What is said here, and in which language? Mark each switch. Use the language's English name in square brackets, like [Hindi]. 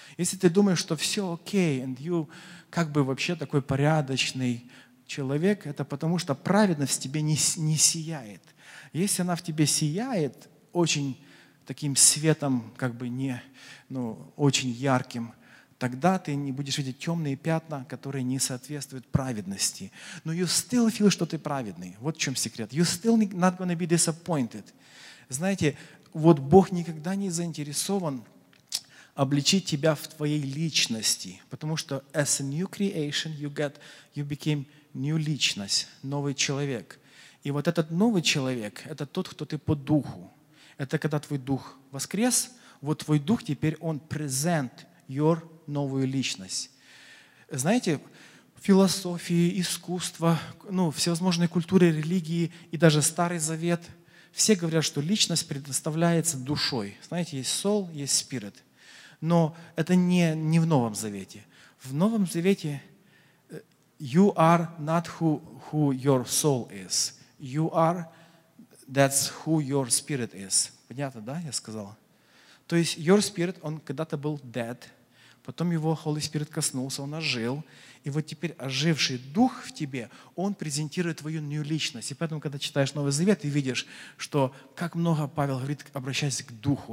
[Russian] Если ты думаешь, что все окей, [English] and you [Russian] как бы вообще такой порядочный человек, это потому что праведность в тебе не сияет. Если она в тебе сияет очень таким светом, как бы не, ну, очень ярким, тогда ты не будешь видеть темные пятна, которые не соответствуют праведности. Но [English] you still feel, [Russian] что ты праведный. Вот в чем секрет. [English] You still not gonna be disappointed. [Russian] Знаете, вот Бог никогда не заинтересован обличить тебя в твоей личности, потому что [English] as a new creation you became new [Russian] личность, новый человек. И вот этот новый человек, это тот, кто ты по духу. Это когда твой дух воскрес, вот твой дух теперь он [English] present your [Russian] новую личность. Знаете, философии, искусство, ну, всевозможные культуры, религии и даже Старый Завет, все говорят, что личность предоставляется душой. Знаете, есть soul, есть spirit. Но это не в Новом Завете. В Новом Завете [English] you are not who your soul is. You are that's who your spirit is. [Russian] Понятно, да, я сказал? То есть [English] your spirit, [Russian] он когда-то был dead, потом его Holy Spirit коснулся, он ожил. И вот теперь оживший дух в тебе, он презентирует твою new личность. И поэтому, когда читаешь Новый Завет, ты видишь, что как много Павел говорит, обращаясь к духу.